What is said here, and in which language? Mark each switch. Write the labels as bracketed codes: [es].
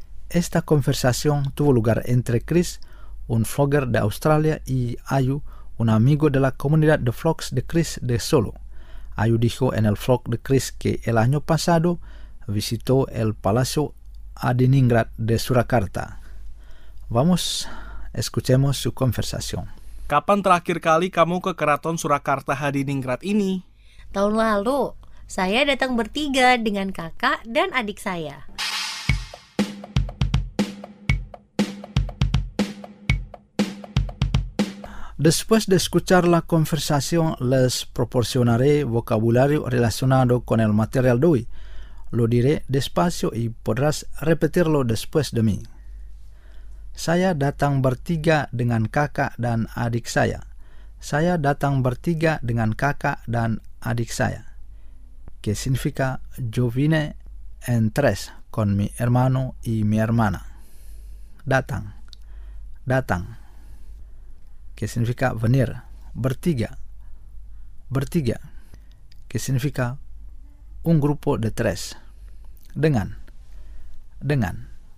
[es] Esta conversación tuvo lugar entre Chris, un vlogger de Australia, y Ayu, un amigo de la comunidad de vlogs de Chris de Solo. Ayu dijo en el vlog de Chris que el año pasado visitó el Palacio Adiningrat de Surakarta. Vamos, escuchemos su conversación. [id] Kapan terakhir kali kamu ke Keraton Surakarta Adiningrat ini? Tahun lalu, saya datang bertiga dengan kakak dan adik saya. [es] Después de escuchar la conversación, les proporcionaré vocabulario relacionado con el material de hoy. Lo diré despacio y podrás repetirlo después de mí. [id] Saya datang bertiga dengan kakak dan adik saya. Saya datang bertiga dengan kakak dan adik saya. [es] Que significa yo vine en tres con mi hermano y mi hermana. Datang. Datang. Que significa venir. Bertiga. Bertiga. Que significa un grupo de tres. Dengan. Dengan.